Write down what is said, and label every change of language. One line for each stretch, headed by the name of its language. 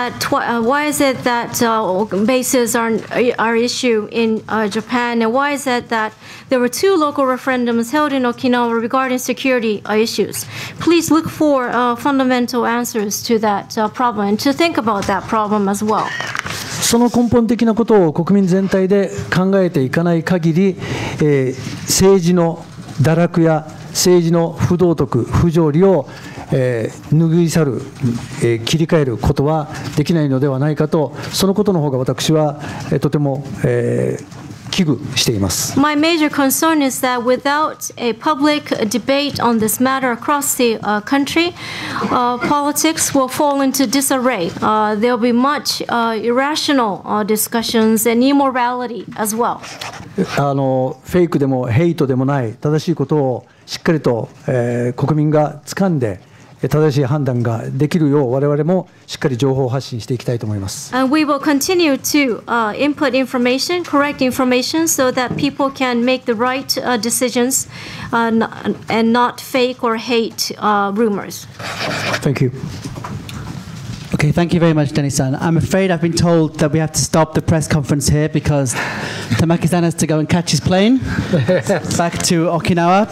English: Why is it that bases are issue in Japan, and why is it that there were two local referendums held in Okinawa regarding security issues? Please look for fundamental answers to that problem, and to think about that problem as well.
Japanese: その根本的なことを国民全体で考えていかない限り、政治の堕落や政治の不道徳、不条理を拭い去る、切り替えることはできないのではないかと、そのことの方が私は、とても、危惧しています。
English: My major concern is that without a public debate on this matter across the country, politics will fall into disarray. There will be much irrational discussions and immorality as well.
Japanese: フェイクでもヘイトでもない正しいことをしっかりと、国民が掴んで正しい判断ができるよう我々もしっかり情報を発信していきたいと思います。
English: And we will continue to input information, correct information, so that people can make the right decisions and not fake or hate rumors. Thank you. Okay, thank you very much, Denny-san. I'm afraid I've been told that we have to stop the press conference here because Tamaki-san has to go and catch his plane back to Okinawa.